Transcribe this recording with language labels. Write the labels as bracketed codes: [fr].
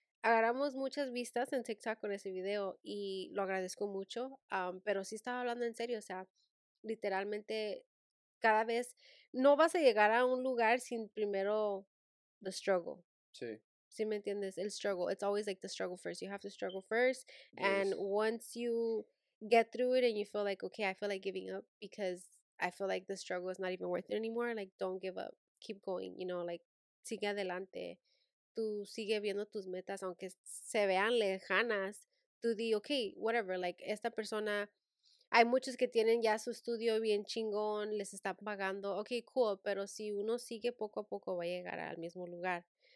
[es] Agarramos muchas vistas en TikTok con ese video y lo agradezco mucho, pero sí estaba hablando en serio, o sea, literalmente cada vez no vas a llegar a un lugar sin primero [en] the struggle. [es] Sí. ¿Sí me entiendes? El struggle. [en] It's always like the struggle first. You have to struggle first. Yes. And once you get through it and you feel like, okay, I feel like giving up because I feel like the struggle is not even worth it anymore. Like, don't give up. Keep going, you know, like, [es] sigue adelante. Tú sigue viendo tus metas, aunque se vean lejanas. [en] Tú di, okay, whatever, like, [es] esta persona, hay muchos que tienen ya su estudio bien chingón, les está pagando. [en] Okay, cool, [es] pero si uno sigue poco a poco va a llegar al mismo lugar.